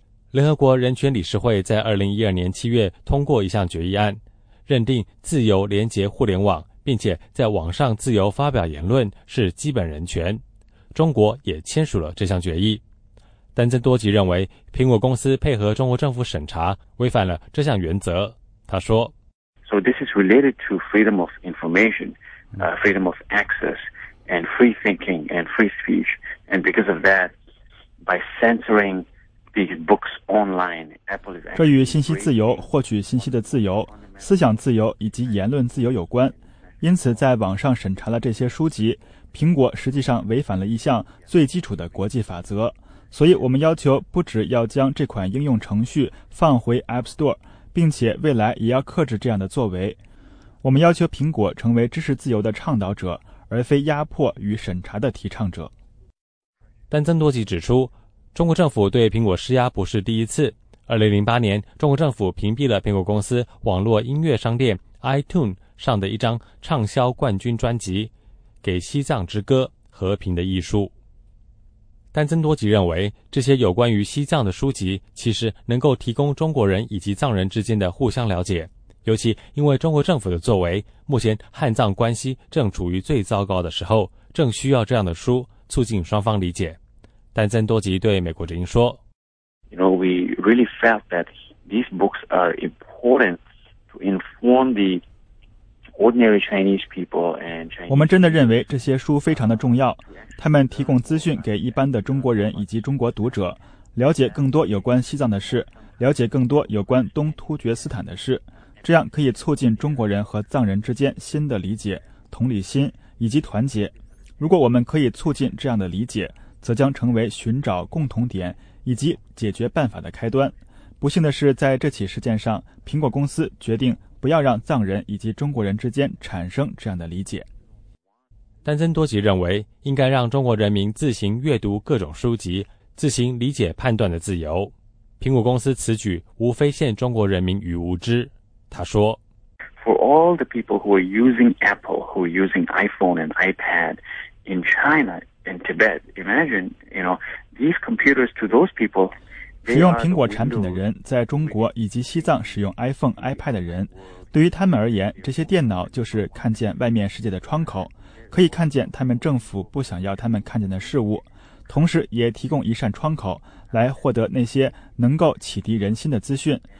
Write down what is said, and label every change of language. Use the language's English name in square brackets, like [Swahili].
[Chinese] 联合国人权理事会在2012年7月通过一项决议案，认定自由连结互联网并且在网上自由发表言论是基本人权，中国也签署了这项决议。但曾多吉认为苹果公司配合中国政府审查违反了这项原则。他说， [English] So this is related to freedom of information, freedom of access and free thinking and free speech, and because of that, by censoring these books online, Apple is actually [Chinese] 这与信息自由、获取信息的自由、思想自由以及言论自由有关，因此在网上审查了这些书籍，苹果实际上违反了一项最基础的国际法则，所以我们要求不只要将这款应用程序放回 App Store， 并且未来也要克制这样的作为。我们要求苹果成为知识自由的倡导者，而非压迫与审查的提倡者。但曾多吉指出，中国政府对苹果施压不是第一次。 2008年，中国政府屏蔽了苹果公司网络音乐商店 iTunes 上的一张畅销冠军专辑《给西藏之歌：和平的艺术》。但曾多吉认为，这些有关于西藏的书籍其实能够提供中国人以及藏人之间的互相了解，尤其因为中国政府的作为，目前汉藏关系正处于最糟糕的时候，正需要这样的书促进双方理解。但曾多吉对美国之音说， [English] You know, we really felt that these books are important to inform the ordinary Chinese people and Chinese. [Chinese] 我们真的认为这些书非常的重要，他们提供资讯给一般的中国人以及中国读者，了解更多有关西藏的事，了解更多有关东突厥斯坦的事，这样可以促进中国人和藏人之间新的理解、同理心以及团结。如果我们可以促进这样的理解，则将成为寻找共同点以及解决办法的开端。不幸的是，在这起事件上，苹果公司决定不要让藏人以及中国人之间产生这样的理解。丹增多吉认为，应该让中国人民自行阅读各种书籍、自行理解判断的自由。苹果公司此举无非陷中国人民于无知。他说， [English] For all the people who are using Apple, who are using iPhone and iPad in China and Tibet, imagine, you know, these computers to those people, [Chinese] 使用苹果产品的人，在中国以及西藏使用 iPhone、iPad 的人，对于他们而言，这些电脑就是看见外面世界的窗口，可以看见他们政府不想要他们看见的事物，同时也提供一扇窗口来获得那些能够启迪人心的资讯。